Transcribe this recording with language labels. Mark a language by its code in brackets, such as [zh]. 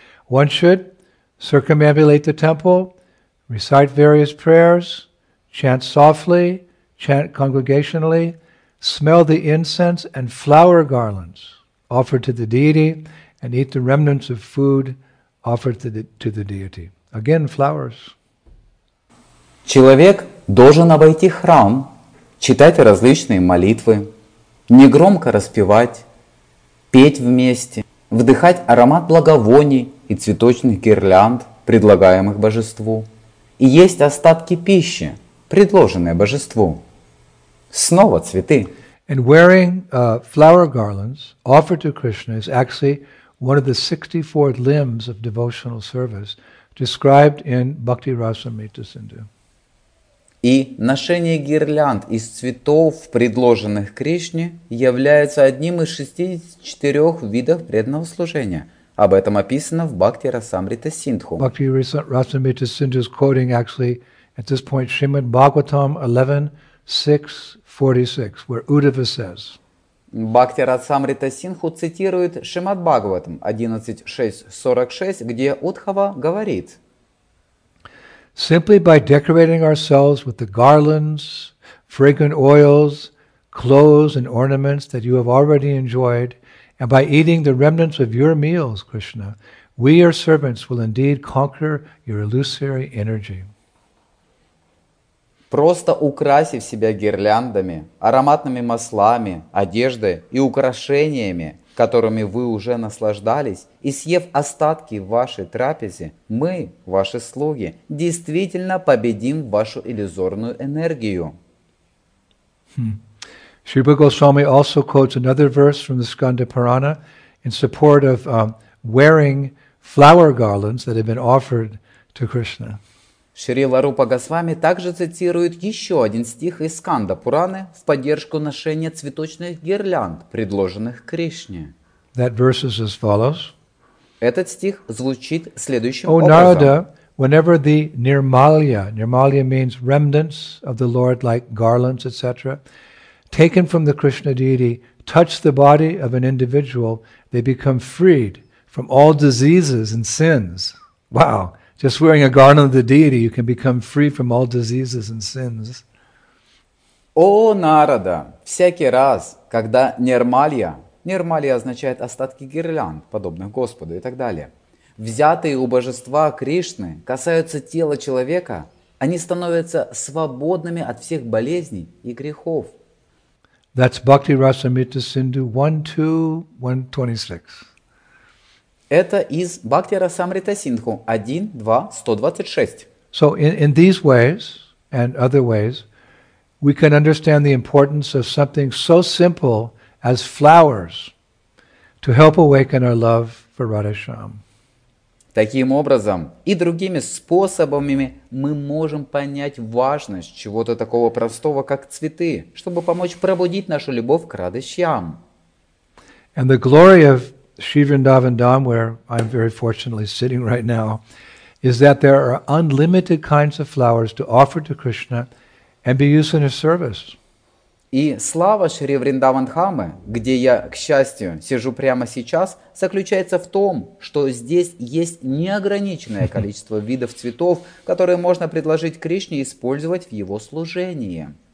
[en] One should circumambulate the temple, recite various prayers, chant softly, chant congregationally, smell the incense and flower garlands offered to the deity, and eat the remnants of food offered to the deity. Again, flowers. [ru] Человек должен обойти храм, читать различные молитвы, негромко распевать, петь вместе, вдыхать аромат благовоний и цветочных гирлянд, предлагаемых божеству, и есть остатки пищи, предложенное божеству. Снова цветы. [en] And wearing flower garlands offered to Krishna is actually one of the 64 limbs of devotional service described in Bhakti Rasamrita Sindhu. [ru] И ношение гирлянд из цветов, предложенных Кришне, является одним из 64 видов преданного служения. Об этом описано в Бхакти Расамрита Синдху. [en] Бхакти Расамрита Синдху is quoting actually at this point Shrimad Bhagavatam 11.6.46, where Uddhava says. [ru] Бхакти Расамрита Синдху цитирует Шримад Бхагаватам 11.6.46, где Удхава говорит. [en] Simply by decorating ourselves with the garlands, fragrant oils, clothes and ornaments that you have already enjoyed, and by eating the remnants of your meals, Krishna, we, your servants, will indeed conquer your illusory energy. [ru] Просто украсив себя гирляндами, ароматными маслами, одеждой и украшениями, которыми вы уже наслаждались, и съев остатки вашей трапезы, мы, ваши слуги, действительно победим вашу иллюзорную энергию. [en] Шрипа Госвами also quotes another verse from the Skanda Purana in support of wearing flower garlands that have been offered to Krishna. [ru] Шрила Рупа Госвами также цитирует еще один стих из Сканда Пураны в поддержку ношения цветочных гирлянд, предложенных Кришне. [en] That verse is as follows. [ru] Этот стих звучит следующим образом. [en] Нарада, whenever the Nirmalya, Nirmalya means remnants of the Lord, like garlands, etc., taken from the Krishna deity, touch the body of an individual, they become freed from all diseases and sins. Wow! Just wearing a garland of the deity, you can become free from all diseases and sins. [ru] О, Нарада, всякий раз, когда нирмалья, нирмалья означает остатки гирлянд, подобных Господу и так далее, взятые у божества Кришны касаются тела человека, они становятся свободными от всех болезней и грехов. [en] That's Bhakti Rasamrita Sindhu 1.2.126. [ru] Это из Бхакти Расамрита Синдху 1.2.126. [en] So in these ways and other ways, we can understand the importance of something so simple as flowers to help awaken our love for Radha Shyam. [ru] Таким образом и другими способами мы можем понять важность чего-то такого простого, как цветы, чтобы помочь пробудить нашу любовь к Радхе Шьям. [en] And the glory of Sri Vrindavan Dham, where I'm very fortunately sitting right now, is that there are unlimited kinds of flowers to offer to Krishna and be used in his service. [ru] И слава Шри Вриндаван Дхамы, где я, к счастью, сижу прямо сейчас, заключается в том, что здесь есть неограниченное количество видов цветов, которые можно предложить Кришне использовать в его служении.